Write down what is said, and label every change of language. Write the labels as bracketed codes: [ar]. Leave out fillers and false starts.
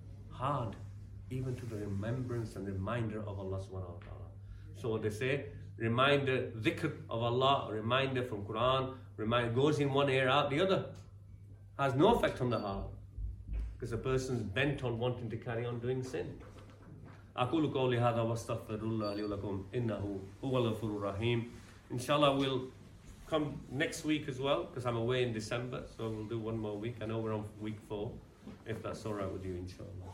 [en] Hard, even to the remembrance and reminder of Allah subhanahu wa ta'ala. So they say, reminder, dhikr of Allah, reminder from Quran, reminder goes in one ear out the other. Has no effect on the heart. Because a person's bent on wanting to carry on doing sin. [ar] أقول قولي هذا واستغفر الله لي ولكم إنه هو الغفور الرحيم. [en] Inshallah we'll come next week as well, because I'm away in December, so we'll do one more week. I know we're on week 4, if that's alright with you, inshallah.